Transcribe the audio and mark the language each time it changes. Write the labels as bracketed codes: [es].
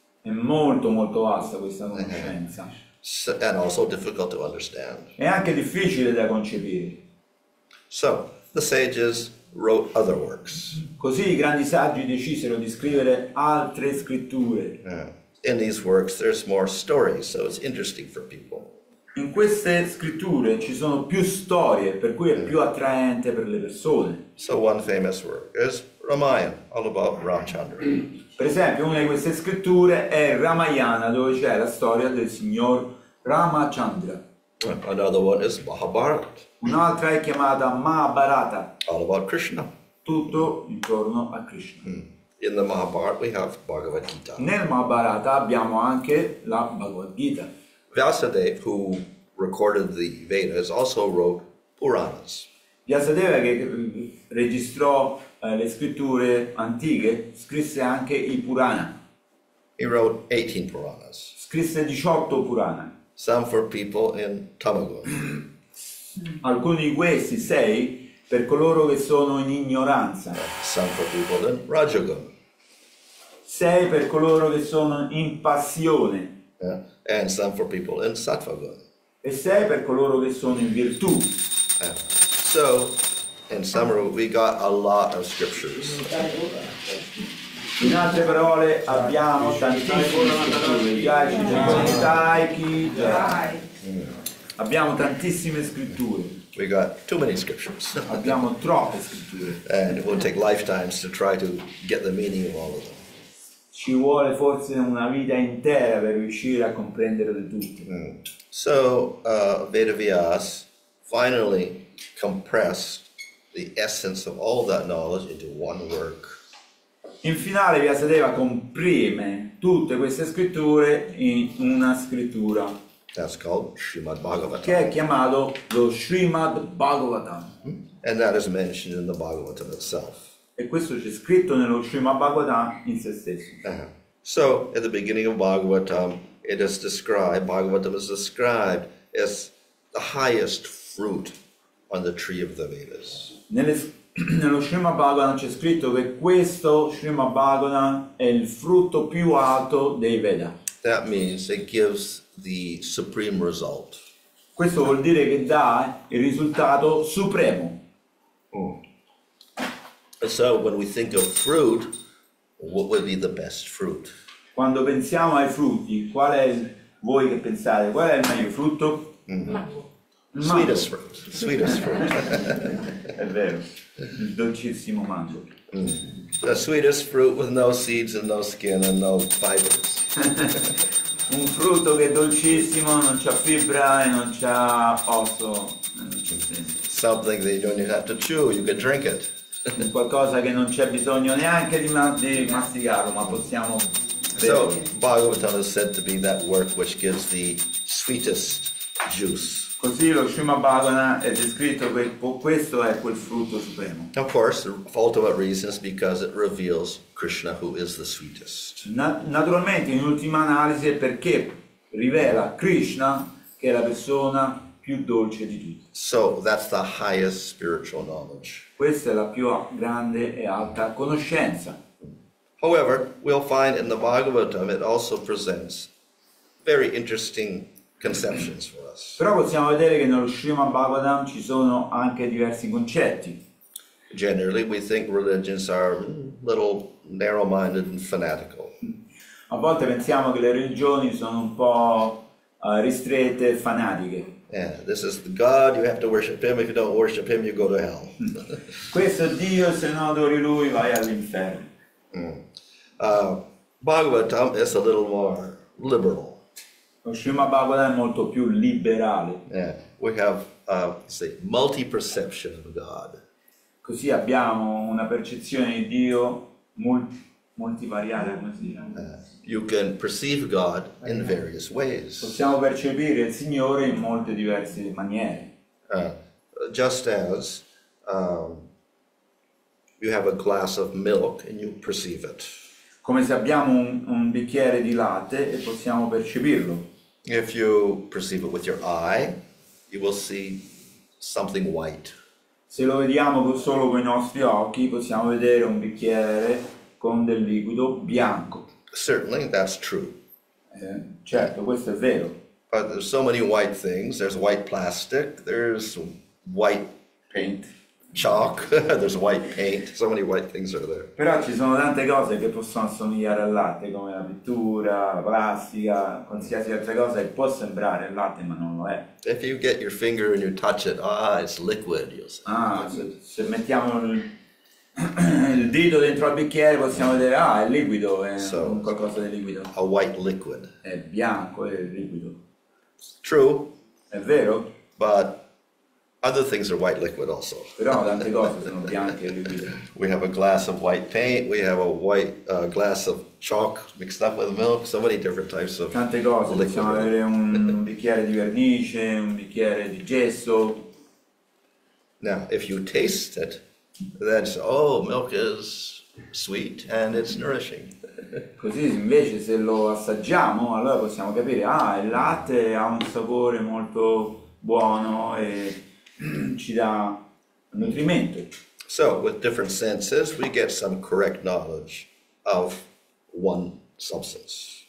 [it] È molto molto vasta questa conoscenza. [en] And also difficult to understand. [it] È anche difficile da concepire. [en] So, the sages wrote other works. [it] Così i grandi saggi decisero di scrivere altre scritture. [en] In these works there's more stories, so it's interesting for people. [it] In queste scritture ci sono più storie, per cui è più attraente per le persone. [en] So one famous work is Ramayana, all about Ramchandra. [it] Per esempio, una di queste scritture è Ramayana, dove c'è la storia del signor Ramachandra. [en] Another one is Mahabharata. [it] Un'altra è chiamata Mahabharata. [en] All about Krishna. [it] Tutto intorno a Krishna. [en] In the Mahabharata we have Bhagavad Gita. [it] Nel Mahabharata abbiamo anche la Bhagavad Gita. [en] Vyasadeva, who recorded the Vedas, also wrote Puranas. [it] Vyasadeva, che registrò le scritture antiche, scrisse anche i Purana. [en] He wrote 18 Puranas. [it] Scrisse 18 Purana. [en] Some for people in Tamagun. [it] Alcuni di questi sei per coloro che sono in ignoranza. [en] Some for people in Rajagun. [it] Sei per coloro che sono in passione. [en] Yeah. And some for people in Sattvagun. [it] E sei per coloro che sono in virtù. [en] Yeah. So, in summary, we got a lot of scriptures. [it] In altre parole, abbiamo tantissime scritture. Abbiamo tantissime scritture. [en] We got too many scriptures. [it] Abbiamo troppe scritture. [en] And it will take lifetimes to try to get the meaning of all of them. [it] Ci vuole forse una vita intera per riuscire a comprenderle tutte. [en] So, Vedavyas finally compressed the essence of all that knowledge into one work. [it] In finale Vyasadeva comprime tutte queste scritture in una scrittura. [en] That's called Srimad Bhagavatam. [it] Che è chiamato lo Srimad Bhagavatam. [en] And that is mentioned in the Bhagavatam itself. [it] E questo c'è scritto nello Srimad Bhagavatam in se stesso. [en] So, at the beginning of Bhagavatam, it is described, Bhagavatam is described as the highest fruit on the tree of the Vedas. [it] Nello Srimad Bhagavatam c'è scritto che questo Srimad Bhagavatam è il frutto più alto dei Veda. [en] That means it gives the supreme result. [it] Questo vuol dire che dà il risultato supremo. [en] So when we think of fruit, what would be the best fruit? [it] Quando pensiamo ai frutti, qual è voi che pensate? Qual è il meglio frutto? [en] Mm-hmm. Mango. Sweetest fruit. Sweetest fruit. [it] È vero. Il dolcissimo mango. Mm. [en] The sweetest fruit with no seeds and no skin and no fibers. [it] Un frutto che è dolcissimo, non c'ha fibra e non c'ha osso. [en] Something that you don't have to chew, you can drink it. [it] Qualcosa che non c'è bisogno neanche di masticarlo, ma possiamo. [en] So Bhagavatam is said to be that work which gives the sweetest juice. [it] Così lo Srimad Bhagavatam è descritto che questo è quel frutto supremo. [en] Of course, the ultimate reason is because it reveals Krishna, who is the sweetest. [it] Naturalmente, in ultima analisi, è perché rivela Krishna, che è la persona più dolce di tutti. [en] So that's the highest spiritual knowledge. [it] Questa è la più grande e alta conoscenza. [en] However, we'll find in the Bhagavatam it also presents very interesting conceptions for us. [it] Però possiamo vedere che nello Srimad Bhagavatam ci sono anche diversi concetti. [en] Generally, we think religions are a little narrow-minded and fanatical. [it] A volte pensiamo che le religioni sono un po' ristrette e fanatiche. [en] Yeah, this is the God, you have to worship him. If you don't worship him, you go to hell. [it] Questo Dio, se non adori lui, vai all'inferno. [en] Bhagavatam is a little more liberal. [it] Lo Srimad Bhagavatam è molto più liberale. [en] Yeah, we have say multi-perception of God. [it] Così abbiamo una percezione di Dio multivariata, come si dice. [en] You can perceive God in various ways. [it] Possiamo percepire il Signore in molte diverse maniere. [en] Just as you have a glass of milk and you perceive it. [it] Come se abbiamo un bicchiere di latte e possiamo percepirlo. [en] If you perceive it with your eye, you will see something white. [it] Se lo vediamo solo con i nostri occhi, possiamo vedere un bicchiere con del liquido bianco. [en] Certainly, that's true. [it] Certo, questo è vero. [en] But there's so many white things. There's white plastic, there's white paint. Chalk, there's white paint, so many white things are there. [it] Però ci sono tante cose che possono assomigliare al latte, come la pittura, la plastica, qualsiasi altra cosa che può sembrare il latte, ma non lo è. [en] If you get your finger and you touch it, it's liquid, you'll say. [it] Se mettiamo il dito dentro al bicchiere possiamo vedere, è liquido, è so, qualcosa di liquido. [en] A white liquid. [it] È bianco, è liquido. [en] True. [it] È vero. [en] But other things are white liquid also. [it] Però tante cose sono bianche e liquide. [en] We have a glass of white paint, we have a white glass of chalk mixed up with milk, so many different types of [it] tante cose, possiamo avere un bicchiere di vernice, un bicchiere di gesso. [en] Now, if you taste it, then it's, milk is sweet and it's nourishing. [it] Così invece se lo assaggiamo, allora possiamo capire, il latte ha un sapore molto buono e ci dà nutrimento. [en] So, with different senses, we get some correct knowledge of one substance.